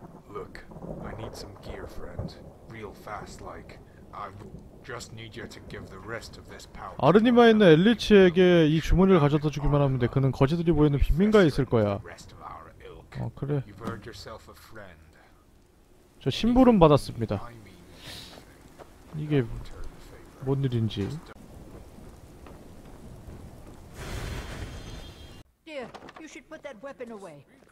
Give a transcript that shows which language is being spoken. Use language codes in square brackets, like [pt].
[en] Look, I need some gear, friend. Real fast, like. I just need you to give the rest of this pouch. [ko] 아르니마 있는 엘리치에게 이 주머니를 가져다 주기만 하면 돼. 그는 거지들이 보이는 빈민가에 있을 거야. 어, 그래. [en] You've earned yourself a friend. [ko] 저 심부름 받았습니다. 이게 뭔 일인지. [en] Dear, you should put that weapon away.